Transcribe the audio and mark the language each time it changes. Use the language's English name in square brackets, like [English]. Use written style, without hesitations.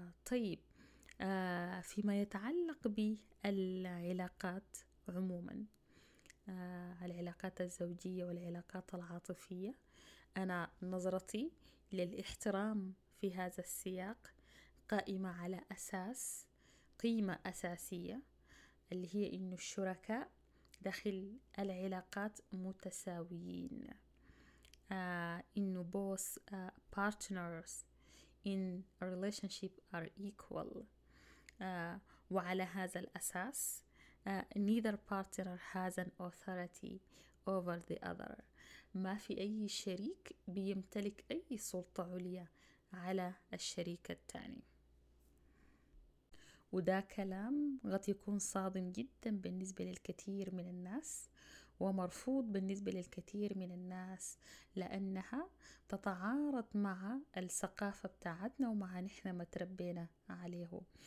[Arabic] طيب، فيما يتعلق بالعلاقات عموما، العلاقات الزوجية والعلاقات العاطفية، أنا نظرتي للاحترام في هذا السياق قائمة على أساس قيمة أساسية، اللي هي إنه الشركاء داخل العلاقات متساويين. إنه [English] both partners in relationship are equal. [Arabic] وعلى هذا الأساس [English] neither partner has an authority over the other. [Arabic] ما في أي شريك بيمتلك أي سلطة عليا على الشريك الثاني. وده كلام قد يكون صادم جدا بالنسبة للكثير من الناس، ومرفوض بالنسبة للكثير من الناس، لأنها تتعارض مع الثقافة بتاعتنا ومع نحن ما تربينا عليه.